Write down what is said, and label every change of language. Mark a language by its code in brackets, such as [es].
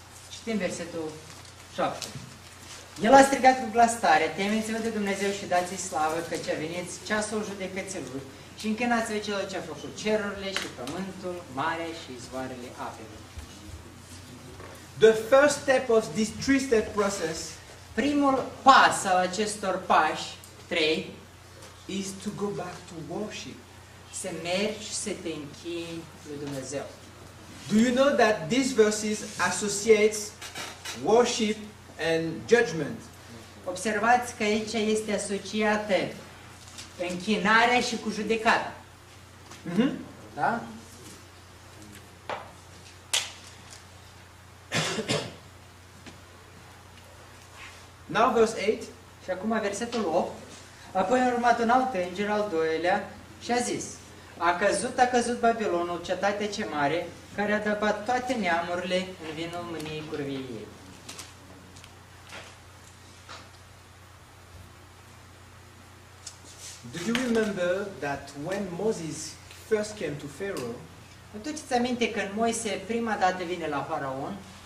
[ro] Citim versetul 7. El a strigat cu glas tare, temeți-vă de Dumnezeu și dați-i slavă, căci a venit ceasul judecăților și închinați-vă celor ce a făcut cerurile și pământul, marea și izvoarele apelor. [en] The first step of this three-step process, [ro] primul pas al acestor pași, trei, [en] is to go back to worship. [ro] Să mergi să te închini lui Dumnezeu. [en] Do you know that these verses associate worship and judgment? [ro] Observați că aici este asociată închinarea și cu judecata. Mm-hmm. Da? [en] Now verse 8. [ro] Și acum versetul 8. Apoi a urmat un alt înger, al doilea, și a zis: A căzut Babilonul, cetatea cea mare, care a adăpat toate neamurile în vinul mâniei curviei ei. [en] Do you remember that when Moses first came to Pharaoh? [ro] Aduceți aminte când Moise prima dată vine la faraon?